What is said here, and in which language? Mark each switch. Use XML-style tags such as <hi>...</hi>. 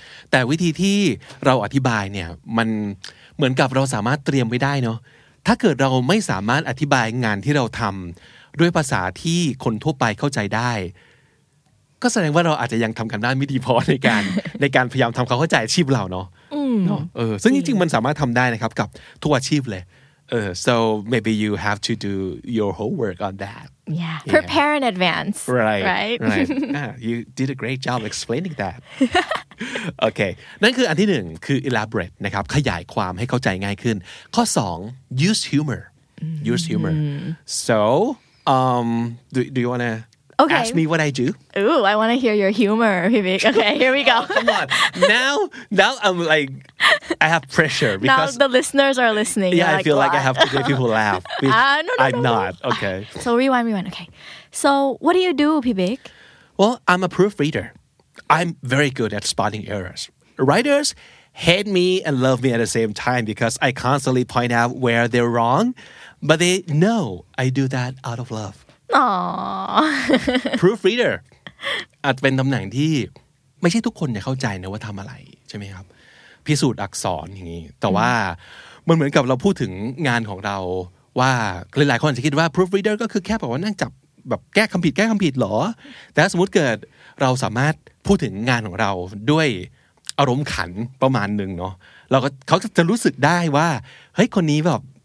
<th>แต่วิธีที่เราอธิบายเนี่ยมันเหมือนกับเราสามารถเตรียมไว้ได้เนาะถ้าเกิดเราไม่สามารถอธิบายงานที่เราทำด้วยภาษาที่คนทั่วไปเข้าใจได้ก็แสดงว่าเราอาจจะยังทำกันได้ไม่ดีพอในการพยายามทำเขาเข้าใจอาชีพเราเนาะซึ่งจริงๆมันสามารถทำได้นะครับกับทุกอาชีพเลย</th> <en>so maybe you have to do your homework on that. Yeah. Prepare in advance. Right. You did a great job explaining that. Okay.</en> <th>นั่นคืออันที่หนึ่งคือ elaborate นะครับขยายความให้เข้าใจง่ายขึ้นข้อสอง use humor.</th> <en>Use humor. So do you want to ask me what I do? Ooh, I want to hear your humor, Vivek. Okay, here we go. Oh, come on. Now I'm like... I have pressure because now the listeners are listening. Yeah, I feel like I have to make people laugh. No, I'm not. So rewind. Okay. So what do you do, Pibik? Well, I'm a proofreader. I'm very good at spotting errors. Writers hate me and love me at the same time because I constantly point out where they're wrong, but they know I do that out of love. Aww. Proofreader.</en> <th>อาจเป็นตำแหน่งที่ไม่ใช่ทุกคนจะเข้าใจนะว่าทำอะไรใช่ไหมครับพิสูจน์อักษรอย่างนี้แต่ว่ามันเหมือนกับเราพูดถึงงานของเราว่าหลายๆคนอาจจะคิดว่า proofreader ก็คือแค่แบบว่านั่งจับแบบแก้คำผิดหรอแต่สมมติเกิดเราสามารถพูดถึงงานของเราด้วยอารมณ์ขันประมาณหนึ่งเนาะเราก็เขาจะรู้สึกได้ว่าเฮ้ยคนนี้แบบ</th>